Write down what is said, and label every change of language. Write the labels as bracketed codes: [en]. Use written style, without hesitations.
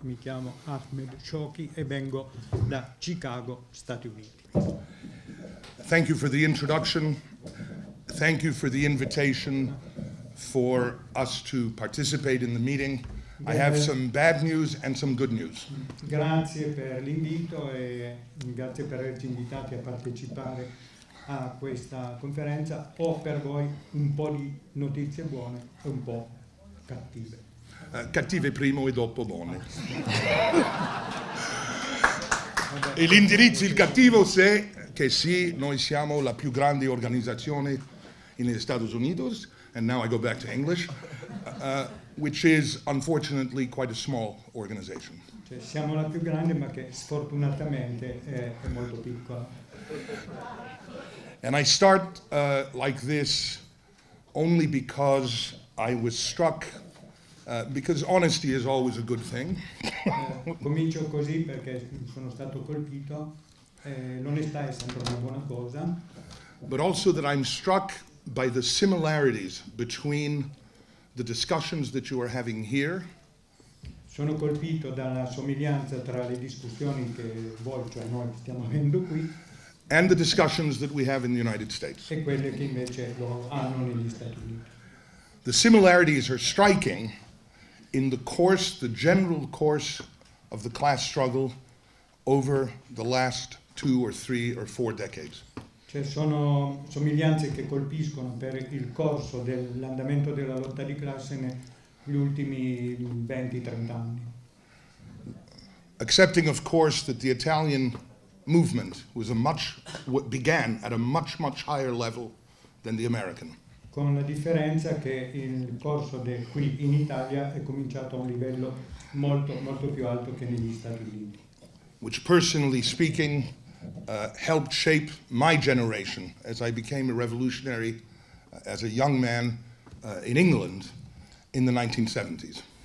[it] Mi chiamo Ahmed Shawki e vengo da Chicago, Stati Uniti. [en] Thank you for the introduction. Thank you for the invitation for us to participate in the meeting. I have some bad news and some good news. [it] Grazie per l'invito e grazie per averci invitati a partecipare a questa conferenza. Ho per voi un po' di notizie buone e un po' cattive. Cattive prima e dopo buone. E l'indirizzo, il cattivo, se che sì, noi siamo la più grande organizzazione negli Stati Uniti, [en] and now I go back to English, which is unfortunately quite a small organization. [it] Cioè, siamo la più grande, ma che sfortunatamente è molto piccola. [en] And I start like this only because I was struck, because honesty is always a good thing. [it] Comincio così perché sono stato colpito. L'onestà è sempre una buona cosa. [en] But also that I'm struck by the similarities between the discussions that you are having here. [it] Sono colpito dalla somiglianza tra le discussioni che voi, cioè noi, stiamo avendo qui. [en] And the discussions that we have in the United States. [it] E quelle che invece lo hanno negli Stati Uniti. [en] The similarities are striking in the course, the general course of the class struggle over the last two or three or four decades. [it] Cioè sono somiglianze che colpiscono per il corso dell'andamento della lotta di classe negli ultimi 20-30 anni. [en] Accepting of course that the Italian movement was a much began at a much much higher level than the American. [it] Con la differenza che il corso qui in Italia è cominciato a un livello molto molto più alto che negli Stati Uniti. [en] Which personally speaking helped shape my generation as I became a revolutionary as a young man in England in the 1970s.